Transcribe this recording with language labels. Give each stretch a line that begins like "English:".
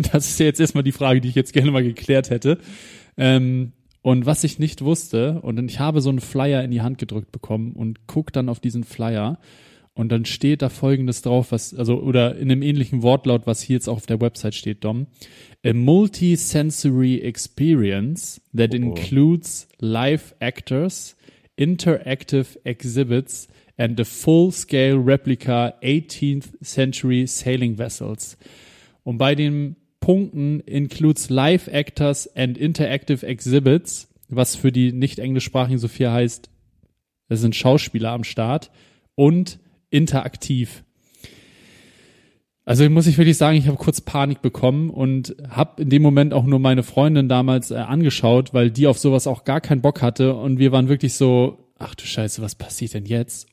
German: Das ist ja jetzt erstmal die Frage, die ich jetzt gerne mal geklärt hätte. Und was ich nicht wusste, und ich habe so einen Flyer in die Hand gedrückt bekommen und guck dann auf diesen Flyer. Und dann steht da Folgendes drauf, was, also, oder in einem ähnlichen Wortlaut, was hier jetzt auch auf der Website steht, Dom.
English: A multi-sensory experience that includes live actors, interactive exhibits and a full-scale replica 18th century sailing vessels.
German: Und bei den Punkten
English: includes live actors and interactive exhibits,
German: was für die nicht-englischsprachigen so viel heißt, es sind Schauspieler am Start und interaktiv. Also muss ich wirklich sagen, ich habe kurz Panik bekommen und habe in dem Moment auch nur meine Freundin damals angeschaut, weil die auf sowas auch gar keinen Bock hatte und wir waren wirklich so, ach du Scheiße, was passiert denn jetzt?